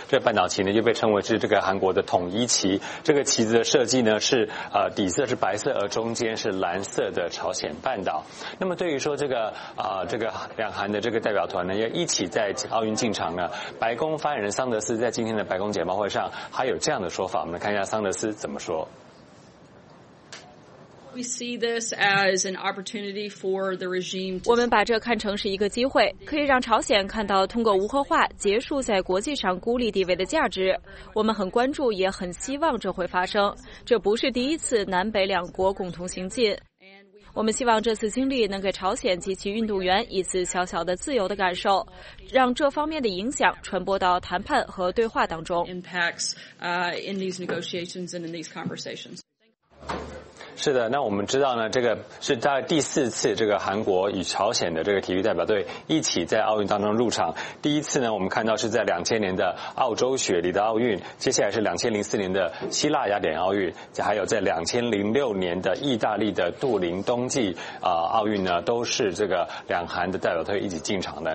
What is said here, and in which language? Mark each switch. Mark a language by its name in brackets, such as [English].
[Chinese] 这个半岛旗呢，就被称为是这个韩国的统一旗。这个旗子的设计呢，是底色是白色，而中间是蓝色的朝鲜半岛。那么对于说这个两韩的这个代表团呢，要一起在奥运进场呢，白宫发言人桑德斯在今天的白宫简报会上还有这样的说法，我们来看一下桑德斯怎么说。 [English] We see this as an opportunity for the regime. [Chinese] 我们把这看成是一个机会，可以让朝鲜看到通过无核化结束在国际上孤立地位的价值。我们很关注，也很希望这会发生。这不是第一次南北两国共同行进。我们希望这次经历能给朝鲜及其运动员一次小小的自由的感受，让这方面的影响传播到谈判和对话当中。 [English] Impacts in these negotiations and in these conversations. [Chinese] 是的，那我们知道呢，这个是在第四次这个韩国与朝鲜的这个体育代表队一起在奥运当中入场。第一次呢，我们看到是在2000年的澳洲雪梨的奥运，接下来是2004年的希腊雅典奥运，还有在2006年的意大利的杜林冬季奥运呢，都是这个两韩的代表队一起进场的。